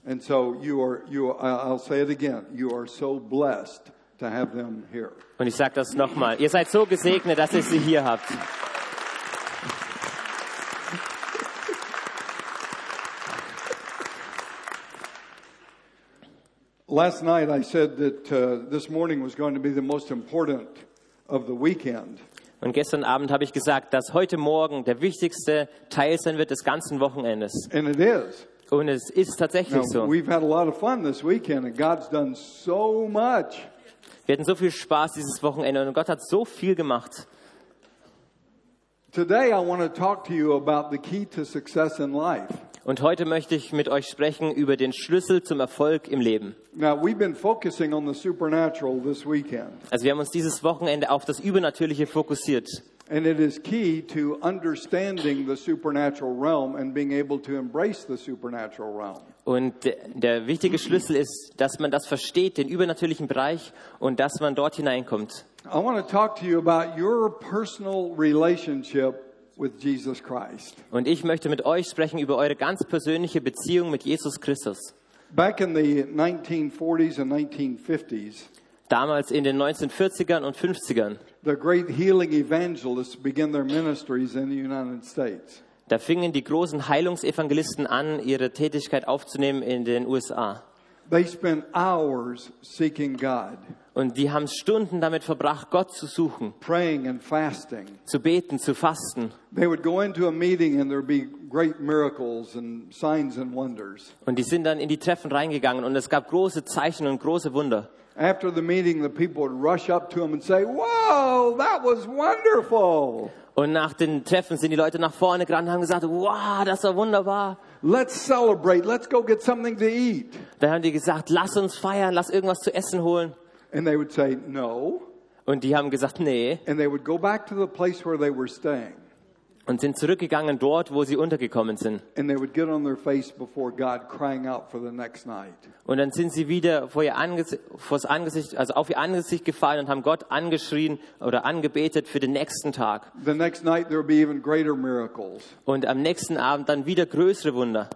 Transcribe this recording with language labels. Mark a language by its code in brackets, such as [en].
[en] And so I'll say it again, you are so blessed to have them here. [de] Und ich sage das nochmal, ihr seid so gesegnet, dass ihr sie hier habt. [en] Last night I said that this morning was going to be the most important of the weekend. [de] Und gestern Abend habe ich gesagt, dass heute Morgen der wichtigste Teil sein wird des ganzen Wochenendes. [en] And it is. [de] Und es ist tatsächlich so. [en] We've had a lot of fun this weekend and God's done so much. [de] Wir hatten so viel Spaß dieses Wochenende und Gott hat so viel gemacht. [en] Today I want to talk to you about the key to success in life. [de] Und heute möchte ich mit euch sprechen über den Schlüssel zum Erfolg im Leben. [en] Now, we've been focusing on the supernatural this weekend. [de] Also wir haben uns dieses Wochenende auf das Übernatürliche fokussiert. [en] And it is key to understanding the supernatural realm and being able to embrace the supernatural realm. [de] Und der wichtige Schlüssel ist, dass man das versteht, den übernatürlichen Bereich, und dass man dort hineinkommt. [en] I want to talk to you about your personal relationship with Jesus Christ. [de] Und ich möchte mit euch sprechen über eure ganz persönliche Beziehung mit Jesus Christus. [en] Back in the 1940s and 1950s. [de] Damals in den 1940ern und 50ern. [en] The great healing evangelists began their ministries in the United States. [de] Da fingen die großen Heilungsevangelisten an, ihre Tätigkeit aufzunehmen in den USA. [en] They spent hours seeking God. [de] Und die haben Stunden damit verbracht, Gott zu suchen. [en] Praying and fasting. [de] Zu beten, zu fasten. [en] They would go into a meeting and there'd be great miracles and signs and wonders. [de] Und die sind dann in die Treffen reingegangen und es gab große Zeichen und große Wunder. [en] After the meeting, the people would rush up to him and say, "Wow, that was wonderful." [de] Und nach den Treffen sind die Leute nach vorne gerannt und haben gesagt, "Wow, das war wunderbar." [en] Let's celebrate. Let's go get something to eat. [de] Da haben die gesagt, lass uns feiern, lass irgendwas zu essen holen. [en] And they would say no. [de] Und die haben gesagt, nee. [en] And they would go back to the place where they were staying. [de] Und sind zurückgegangen dort, wo sie untergekommen sind. [en] And they would get on their face before God, crying out for the next night. [de] Und dann sind sie wieder vor ihr Angesicht, also auf ihr Angesicht gefallen und haben Gott angeschrien oder angebetet für den nächsten Tag. [en] The next night there would be even greater miracles. [de] Und am nächsten Abend dann wieder größere Wunder.